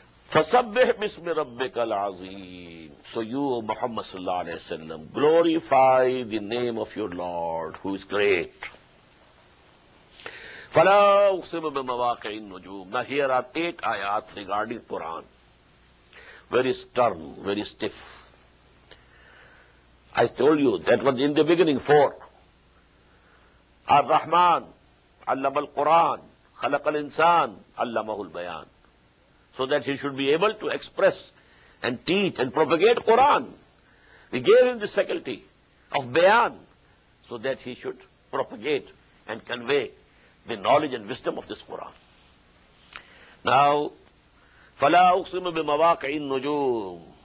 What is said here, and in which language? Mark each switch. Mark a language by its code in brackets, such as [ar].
[ar] فَسَبِّحْ بِسْمِ رَبِّكَ الْعَظِيمِ. [en] So you, O Muhammad sallallahu alayhi wa sallam, glorify the name of your Lord who is great. [ar] فَلَا أُقْسِمُ بِمَوَاقِعِ النُّجُومِ. [en] Now here are 8 ayats regarding Quran. Very stern, very stiff. I told you that was in the beginning, 4. [ar] الرحمن علم القرآن خلق الإنسان علمه البيان. [en] So that he should be able to express and teach and propagate Quran. We gave him the faculty of bayan so that he should propagate and convey the knowledge and wisdom of this Quran. [ar] Now, فَلَا أُقْسِمُ بِمَوَاقِعِ النُّجُومِ.